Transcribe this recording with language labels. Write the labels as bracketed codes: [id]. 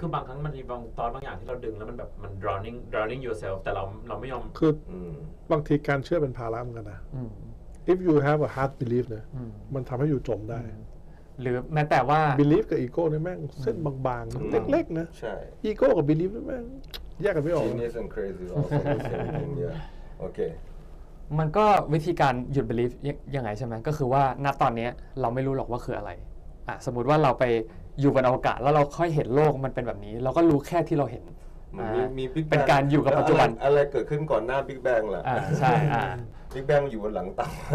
[th] คือบางครั้งมันมีบางตอนบางอย่างที่เราดึงแล้วมันแบบมัน [en] drowning yourself [th] แต่เราไม่ยอม คือบางทีการเชื่อเป็นภาระเหมือนกันนะ [en] if you have a hard belief [th] เนี่ยมันทำให้อยู่จมได้หรือแม้แต่ว่า belief กับ ego เนี่ยแม่งเส้นบางๆเล็กๆนะ ใช่ ego กับ belief แม่งแยกกันไม่ออก [en] genius and crazy also the same thing yeah okay [th] มันก็วิธีการหยุด belief ยังไงใช่ไหมก็คือว่าณตอนนี้เราไม่รู้หรอกว่าคืออะไรอ่ะสมมติว่าเราไปอยู่บนอวกาศแล้วเราค่อยเห็นโลกมันเป็นแบบนี้เราก็รู้แค่ที่เราเห็น มี เป็นการอยู่กับปัจจุบัน อะไรเกิดขึ้นก่อนหน้าบิ๊กแบงล่ะ ใช่บิ๊กแบงอยู่บนหลังเต่า